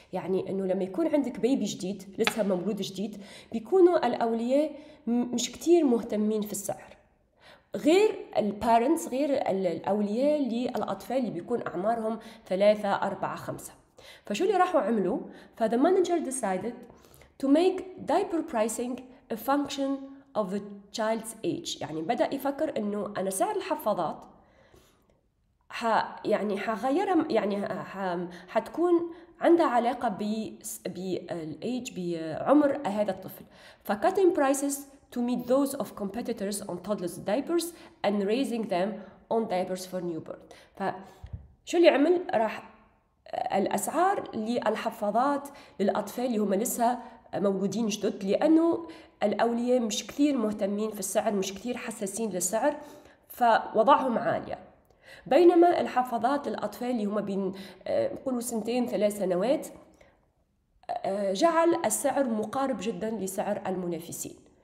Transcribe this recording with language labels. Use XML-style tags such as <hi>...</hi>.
<ar>يعني أنه لما يكون عندك بيبي جديد لسه مولود جديد بيكونوا الأولياء مش كتير مهتمين في السعر، غير الparents، غير الأولياء للأطفال اللي بيكون أعمارهم 3-4-5. فشو اللي راحوا عملوا؟</ar> <en>فthe manager decided to make diaper pricing a function of a child's age.</en> <ar>يعني بدا يفكر انه انا سعر الحفاضات يعني حغيرها، يعني حتكون عندها علاقه بالايج، بعمر هذا الطفل.</ar> <en>فcutting prices to meet those of competitors on toddlers diapers and raising them on diapers for newborn.</en> <ar>فشو اللي عمل؟ راح الاسعار للحفاضات للاطفال اللي هم لسه موجودين جدد، لانه الأولياء مش كثير مهتمين في السعر، مش كثير حساسين للسعر، فوضعهم عالية. بينما الحفاضات للأطفال اللي هما بين قولوا 2-3 سنوات جعل السعر مقارب جدا لسعر المنافسين.</ar>